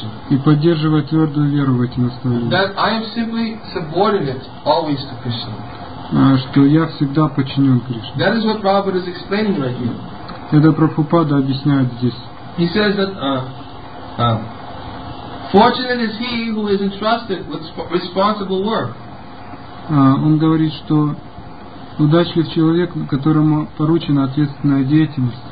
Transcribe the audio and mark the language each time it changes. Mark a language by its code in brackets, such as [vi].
[ru] И поддерживать твердую веру в эти наставления. Что я всегда подчинен Кришне. [en] That is what Prabhupada is explaining right here. [ru] Это Прабхупада объясняет здесь. [en] He says that fortunate is he who is entrusted with responsible work. [ru] Он говорит, что удачлив человек, которому поручена ответственная деятельность.